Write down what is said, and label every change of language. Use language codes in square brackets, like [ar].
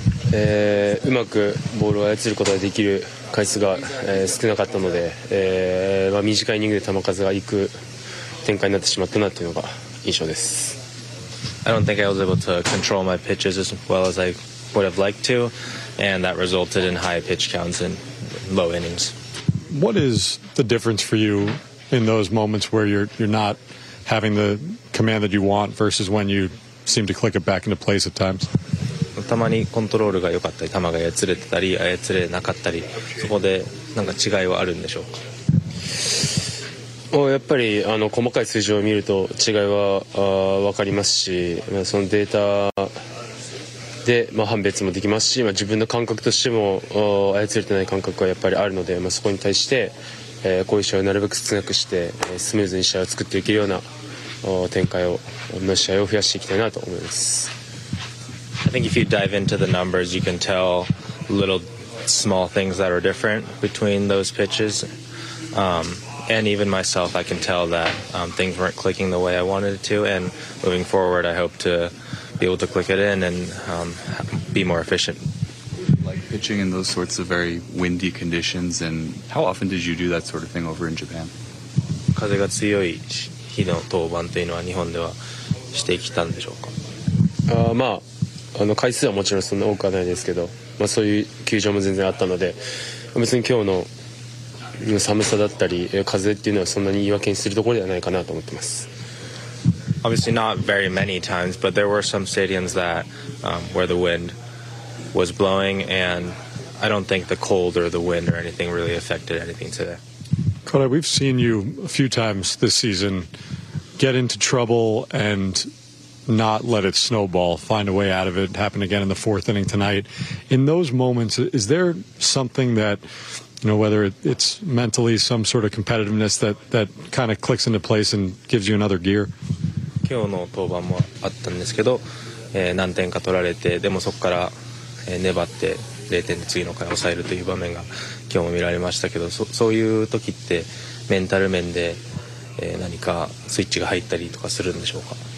[ja] うまくボールを操ることができる回数が、少なかったので、短いイニングで球数がいく展開になってしまったなというのが印象です。 [en] I don't think I was able to control my pitches as well as I would have liked to, and that resulted in high pitch counts and low innings. What is the difference for you in those moments where you're not having the command that you want versus when you seem to click it back into place at times? [ja] たまにコントロールが良かったり球が操れてたり操れなかったりそこで何か違いはあるんでしょうか。もうやっぱりあの細かい数字を見ると違いは分かりますし、そのデータで、判別もできますし、自分の感覚としても操れてない感覚はやっぱりあるので、そこに対して、こういう試合をなるべく少なくして、スムーズに試合を作っていけるような展開をの試合を増やしていきたいなと思います。 [en] I think if you dive into the numbers, you can tell little small things that are different between those pitches. And even myself, I can tell that things weren't clicking the way I wanted it to. And moving forward, I hope to be able to click it in and be more efficient. Like pitching in those sorts of very windy conditions. And how often did you do that sort of thing over in Japan? [ja] 風が強い日の登板というのは日本ではしてきたんでしょうか。あの回数はもちろんそんな多くはないですけど、そういう球場も全然あったので、別に今日の寒さだったり風っていうのはそんなに言い訳にするところではないかなと思ってます。 [en] Obviously not very many times, but there were some stadiums that where the wind was blowing, and I don't think the cold or the wind or anything really affected anything today. Kodai, we've seen you a few times this season get into trouble andnot let it snowball, find a way out of it. Happened again in the fourth inning tonight. In those moments, is there something that, you know, whether it's mentally some sort of competitiveness that kind of clicks into place and gives you another gear? [ja] 今日の登板もあったんですけど、何点か取られて、でもそこから、粘って0点で次の回抑えるという場面が今日も見られましたけど、そういう時ってメンタル面で、何かスイッチが入ったりとかするんでしょうか。